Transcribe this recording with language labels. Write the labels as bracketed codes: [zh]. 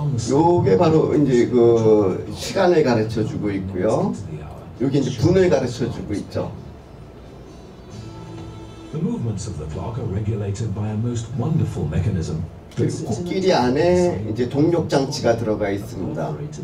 [ko] 요게 바로 이제 그 시간을 가르쳐 주고 있고요. 요게 이제 분을 가르쳐 주고 있죠. [en] The movements of the clock are regulated by a most wonderful mechanism. [ko] 코끼리 안에 이제 동력 장치가 들어가 있습니다.